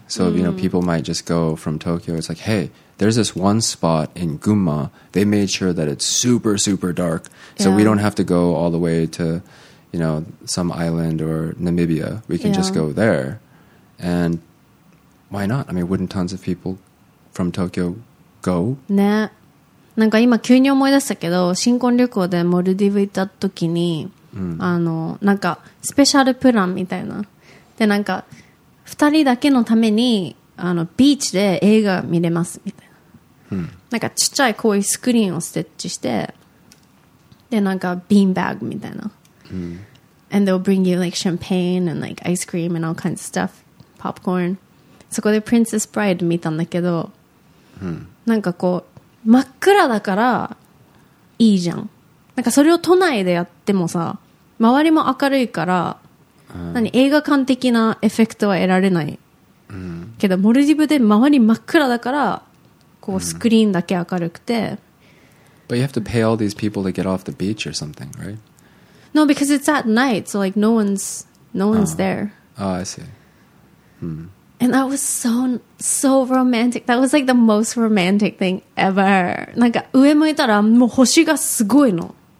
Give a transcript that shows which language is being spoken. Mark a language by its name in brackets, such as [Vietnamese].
[English] So, you know, people might just go from Tokyo. It's like, hey, there's this one spot in Guma. They made sure that it's super, super dark. Yeah. So we don't have to go all the way to, you know, some island or Namibia. We can just go there. And why not? I mean, wouldn't tons of people from Tokyo go? Yeah. [Japanese] なんか今急に思い出したけど、新婚旅行でモルディブ行った時に、あの、なんかスペシャルプランみたいな。で、なんか2人だけのためにあのビーチで映画見れますみたいな。なんかちっちゃいこういうスクリーンをステッチして、で、なんかビーンバッグみたいな。 [English] And they'll bring you like champagne and like ice cream and all kinds of stuff, popcorn. [Japanese] そこでプリンセスブライド見たんだけど、なんかこう、真っ暗だからいいじゃん。なんかそれを都内でやってもさ、周りも明るいから、何映画館的なエフェクトは得られない。けどモルディブで周り真っ暗だから、こうスクリーンだけ明るくて。 [English] But you have to pay all these people to get off the beach or something, right? No, because it's at night, so like no one's there. Oh, I see. And that was so, so romantic. That was like the most romantic thing ever. [Japanese] なんか上向いたらもう星がすごいの。